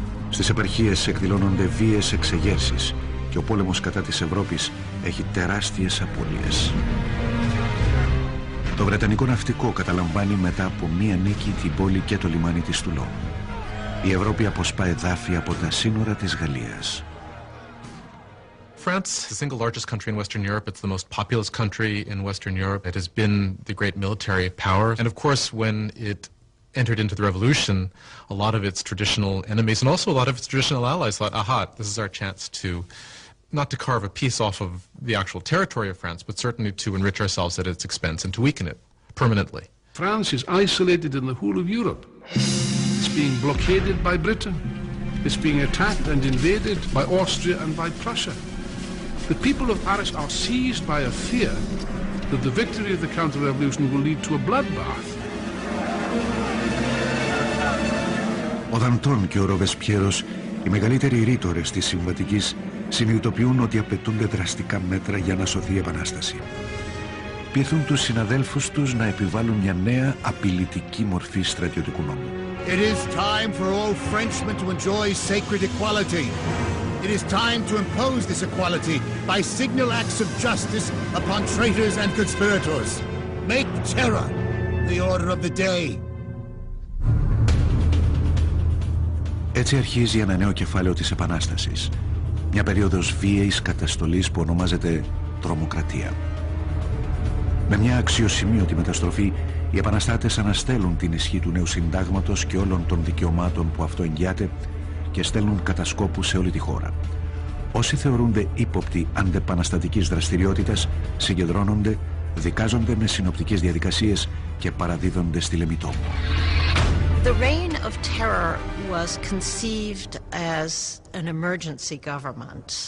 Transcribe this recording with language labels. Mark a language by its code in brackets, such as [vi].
[el] Στις επαρχίες εκδηλώνονται βίαιες εξεγέρσεις και ο πόλεμος κατά της Ευρώπης έχει τεράστιες απώλειες. Το Βρετανικό ναυτικό καταλαμβάνει μετά από μία νίκη την πόλη και το λιμάνι της Τουλόν. Η Ευρώπη αποσπά εδάφη από τα σύνορα της Γαλλίας. [en] France is the single largest country in Western Europe. It's the most populous country in Western Europe. It has been the great military power. And of course, when it entered into the revolution, a lot of its traditional enemies and also a lot of its traditional allies thought, aha, this is our chance to, not to carve a piece off of the actual territory of France, but certainly to enrich ourselves at its expense and to weaken it permanently. France is isolated in the whole of Europe. It's being blockaded by Britain. It's being attacked and invaded by Austria and by Prussia. The people of Paris are seized by a fear that the victory of the counter-revolution will lead to a bloodbath. [el] Ο Δαντών και ο Ροβεσπιέρος, οι μεγαλύτεροι ρήτορες της συμβατικής, συνειδητοποιούν ότι απαιτούνται δραστικά μέτρα για να σωθεί η Επανάσταση. Πείθουν τους συναδέλφους τους να επιβάλλουν μια νέα απειλητική μορφή στρατιωτικού νόμου. [en] It is time for all Frenchmen to enjoy sacred equality. It is time to impose this equality by signal acts of justice upon traitors and conspirators. Make terror the order of the day. [el] Έτσι αρχίζει ένα νέο κεφάλαιο της Επανάστασης. Μια περίοδος βίαιης καταστολής που ονομάζεται τρομοκρατία. Με μια αξιοσημείωτη μεταστροφή, οι επαναστάτες αναστέλουν την ισχύ του νέου συντάγματος και όλων των δικαιωμάτων που αυτό εγγυάται και στέλνουν κατασκόπους σε όλη τη χώρα. Όσοι θεωρούνται ύποπτοι αντεπαναστατικής δραστηριότητας συγκεντρώνονται, δικάζονται με συνοπτικές διαδικασίες και παραδίδονται στη Λεμιτό. [en] The reign of terror was conceived as an emergency government.